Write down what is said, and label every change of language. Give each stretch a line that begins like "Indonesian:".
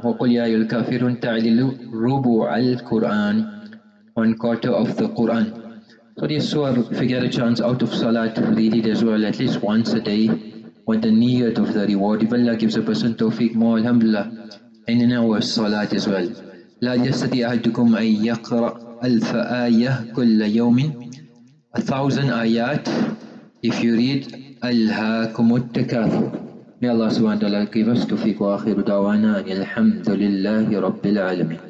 Arabic: وَقُلْ يَا الْكَافِرُونَ تَعْدِلُ رُبُعَ الْقُرْآنِ.
English: 1/4 of the Quran. So this surah, if you get a chance out of salat, read it as well at least once a day with the niyat of the reward. If Allah gives a person tawfiq more, alhamdulillah, and in our salat as well.
Arabic: لا يستطيع أحدكم أن يقرأ ألف آية كل يوم.
English: 1,000 ayat if you read
Arabic: ألهاكم التكاثر.
English: May Allah subhanahu wa ta'ala give us tawfiq.
Arabic: وآخر دعوانا الحمد لله رب العالمين.